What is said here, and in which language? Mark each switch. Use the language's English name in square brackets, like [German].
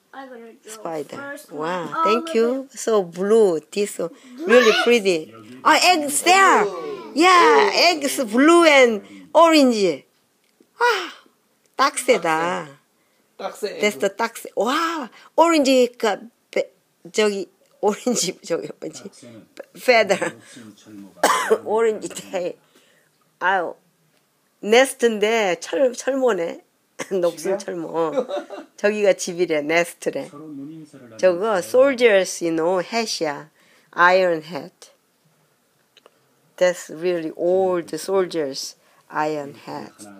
[English] I'm gonna draw spider. Wow, thank you. So blue, this really pretty. Oh, eggs there. Yeah, eggs blue and orange. [Korean] Ah, 딱새다. 딱새. [English] That's the 딱새. Wow, orange. [Korean] 저기 orange 저기 뭐지? [English] Feather. Orange tail. Wow. [Korean] Nest인데 철모네. 녹슨 철모. 저기가 집이래, 네스트래. 저거 [English] soldiers, you know, hat이야. Iron hat. That's really old soldiers, iron hat.